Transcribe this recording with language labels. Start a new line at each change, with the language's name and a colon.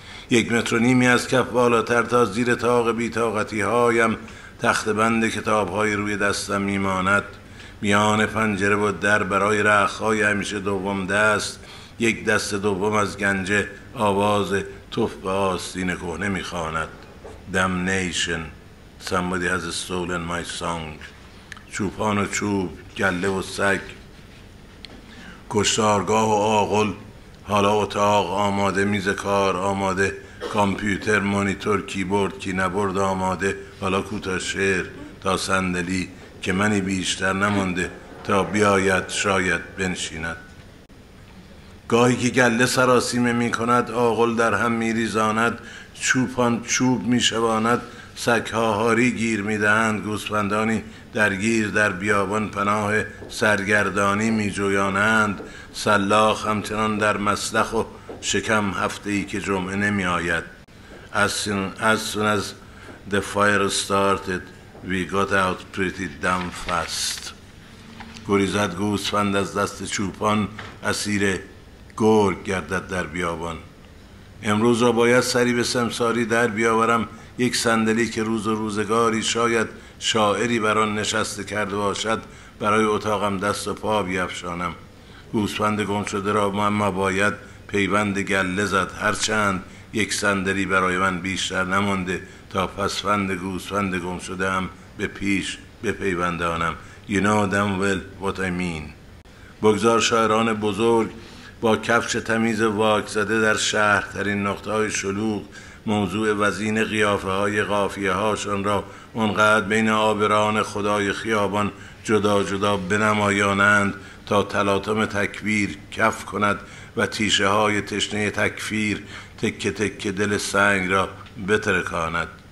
Persian: یک متر و نیمی از کف بالاتر تا زیر تاق بیتاقتی هایم تخت بند کتاب های روی دستم میماند. میان پنجره و در برای رخ های همیشه دوم دست، یک دست دوم از گنجه آواز توف به آستین کهنه میخواند.
English: Damnation, somebody has stolen my song.
Persian: چوپان و چوب، گله و سگ، کشتارگاه و آغل، حالا اتاق آماده، میز کار آماده، کامپیوتر، مانیتور، کیبورد، کی نبرد آماده، حالا کوتاه شعر تا صندلی که منی بیشتر نمانده تا بیاید شاید بنشیند. گاهی که گله سراسیمه می کند، آغل در هم می ریزاند، چوپان چوب می شواند، سک ها هاری گیر می دهند، گوسفندانی درگیر در بیابان پناه سرگردانی می جویانند، سلاخ همچنان در مسلخ و شکم هفته ای که جمعه نمی آید.
English: As soon as the fire started, we got out pretty damn fast.
Persian: گریزد گوسفند از دست چوپان، اسیره گرگ گردد در بیابان. امروز را باید سری به سمساری در بیاورم، یک صندلی که روز و روزگاری شاید شاعری بر آن نشسته کرده باشد، برای اتاقم دست و پا بیفشانم. گوسفند گم شده را اما باید پیوند گله زد، هر چند یک صندلی برای من بیشتر نمانده تا پسفند گوسفند گم شده ام به پیش بپیوندانم.
English: You know damn well what I mean.
Persian: بگذار شاعران بزرگ با کفش تمیز واک زده در شهر ترین نقطه های شلوغ موضوع وزین قیافه های قافیه هاشون را اونقدر بین عابران خدای خیابان جدا جدا بنمایانند تا تلاطم تکبیر کف کند و تیشه های تشنه تکفیر تک تک دل سنگ را بترکاند.